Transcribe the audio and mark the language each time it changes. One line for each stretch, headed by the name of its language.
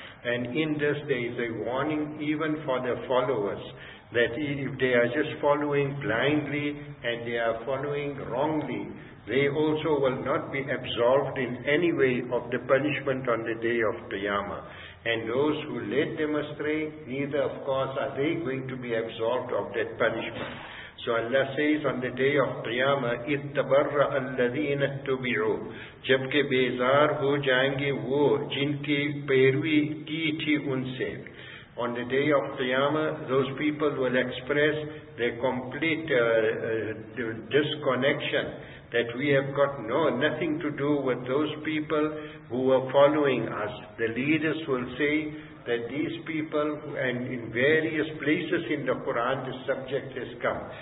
English: And in this there is a warning even for the followers, that if they are just following blindly and they are following wrongly, they also will not be absolved in any way of the punishment on the day of Qiyamah. And those who led them astray, neither of course are they going to be absolved of that punishment. So Allah says on the day of Qiyamah,
Arabic: إِذْ تَبَرَّ الَّذِينَ اتُّبِعُوا.
Urdu: جبکہ بیزار ہو جائیں گے وہ جن کی پیروی کی تھی ان سے.
English: On the day of Qiyamah, those people will express their complete disconnection, that we have got nothing to do with those people who were following us. The leaders will say that these people, and in various places in the Quran the subject has come.